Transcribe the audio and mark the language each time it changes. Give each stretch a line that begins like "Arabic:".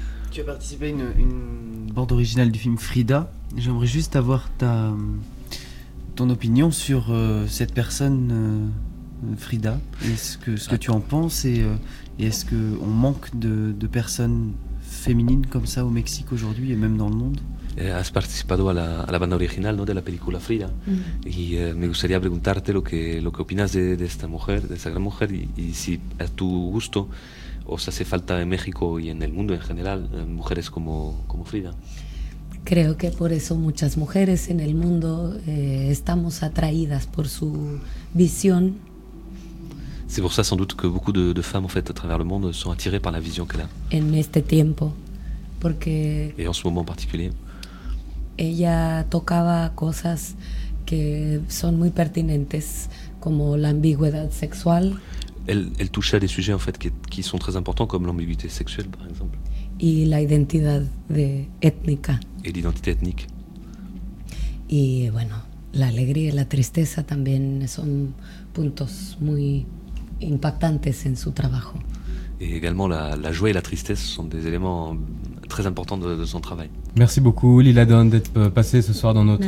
French: Tu as participé à une bande originale du film Frida. J'aimerais juste avoir ton opinion sur cette personne, Frida. Est-ce que tu en penses et est-ce qu'on manque de personnes féminines comme ça au Mexique aujourd'hui et même dans le monde?
Spanish: Has participado a la banda original, ¿no?, de la película Frida. Mm-hmm. Y me gustaría preguntarte lo que opinas de esta mujer, de esa gran mujer, y si a tu gusto os hace falta en México y en el mundo en general mujeres como Frida. Creo que por eso muchas mujeres en el mundo estamos atraídas por su visión.
French: C'est pour ça sans doute que beaucoup de femmes en fait à travers le monde sont attirées par la vision qu'elle a.
Spanish: En este tiempo, porque.
French: Et en ce moment en particulier.
Spanish: Ella tocaba cosas que son muy pertinentes, como la ambigüedad sexual.
French: Elle touchait à des sujets en fait qui sont très importants, comme l'ambiguïté sexuelle, par exemple.
Spanish: Y la identidad étnica.
French: Et l'identité ethnique.
Spanish: Y bueno, la alegría y la tristeza también son puntos muy impactantes en su trabajo.
French: Et également la joie et la tristesse sont des éléments très important de son travail. Merci beaucoup, Lila Don, d'être passée ce soir dans notre